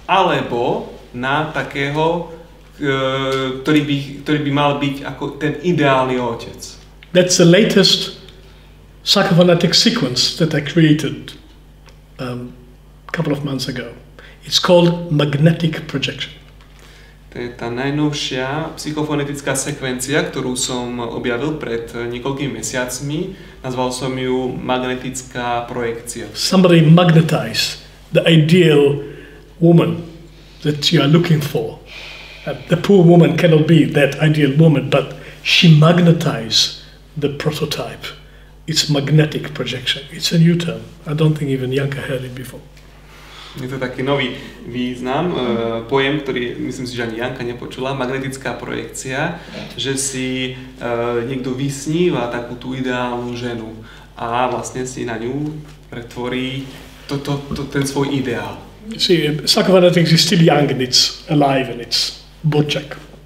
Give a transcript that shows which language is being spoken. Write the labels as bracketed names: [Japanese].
[Slovak] Alebo na takého, ktorý by mal byť ako ten ideálny otec. [English] That's the latest psychophonetic sequence that I created a couple of months ago. It's called magnetic projection. [Slovak] To je tá najnovšia psychofonetická sekvencia, ktorú som objavil pred niekoľkými mesiacmi. Nazval som ju magnetická projekcia. [English] Somebody magnetize the ideal woman that you are looking for. The poor woman cannot be that ideal woman, but she magnetize the prototype. It's magnetic projection. It's a new term. I don't think even Janka heard it before. [Slovak] Je to taký nový význam, pojem, ktorý myslím si, že ani Janka nepočula, magnetická projekcia, že si niekto vysníva takú tú ideálnu ženu a vlastne si na ňu pretvorí ten svoj ideál. [English] See, psychophonetics is still young and it's alive and it's burčak.